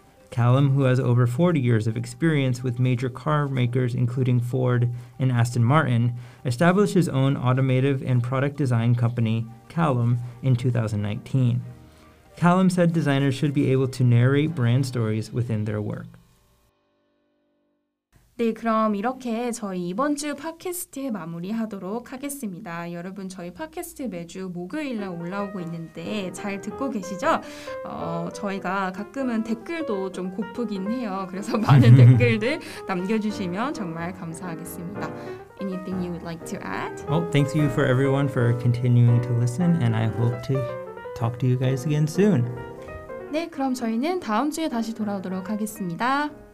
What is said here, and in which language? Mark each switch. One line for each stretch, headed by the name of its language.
English: Callum, who has over 40 years of experience with major car makers including Ford and Aston Martin, established his own automotive and product design company, Callum, in 2019. Callum said designers should be able to narrate brand stories within their work.
Korean: 네, 그럼 이렇게 저희 이번 주 팟캐스트 마무리하도록 하겠습니다. 여러분, 저희 팟캐스트 매주 목요일날 올라오고 있는데 잘 듣고 계시죠? 저희가 가끔은 댓글도 좀 고프긴 해요. 그래서 많은 댓글들 남겨주시면 정말 감사하겠습니다.
English: Anything you would like to add? Well, thanks you for everyone for continuing to listen, and I hope to talk to you guys again soon.
Korean: 네, 그럼 저희는 다음 주에 다시 돌아오도록 하겠습니다.